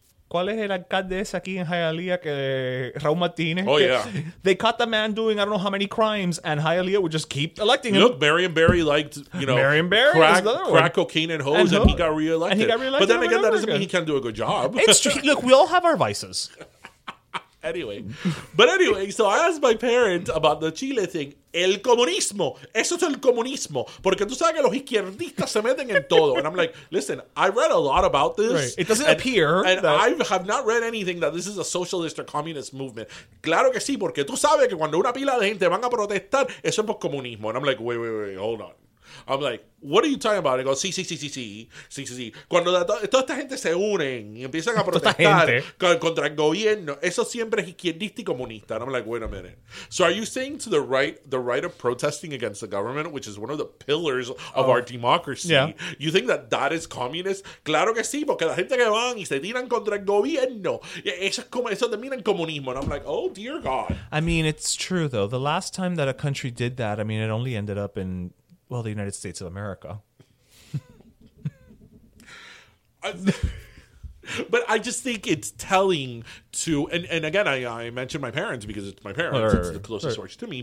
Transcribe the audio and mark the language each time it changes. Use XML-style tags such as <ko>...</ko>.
<es>¿Cuál es el alcalde ese aquí en Hialeah que Raúl Martínez?</es> <en>Oh, yeah. They caught the man doing I don't know how many crimes, and Hialeah would just keep electing him. Look, Marion Barry liked, you know, crack cocaine and hoes, and he got re-elected. But then again, that doesn't mean he can't do a good job. It's true. Look, we all have our vices. Anyway, but anyway, so I asked my parent about the Chile thing.</en> <es>El comunismo. Eso es el comunismo. Porque tú sabes que los izquierdistas se meten en todo.</es> <en>And I'm like, listen, I read a lot about this. Right. It doesn't appear. And I have not read anything that this is a socialist or communist movement.</en> <es>Claro que sí, porque tú sabes que cuando una pila de gente van a protestar, eso es por comunismo.</es> <en>And I'm like, wait, hold on. I'm like, what are you talking about? I go, sí.</en> <es>Cuando toda esta gente se unen y empiezan a protestar contra el gobierno, eso siempre es izquierdista y comunista.</es> <en>And I'm like, wait a minute. So are you saying to the right of protesting against the government, which is one of the pillars of our democracy, you think that is communist?</en> <es>Claro que sí, porque la gente que van y se tiran contra el gobierno, eso termina en comunismo.</es> <en>And I'm like, oh, dear God. I mean, it's true, though. The last time that a country did that, I mean, it only ended up in... Well, the United States of America. But I just think it's telling to... And again, I mentioned my parents because it's my parents. Right, it's the closest source to me.</en>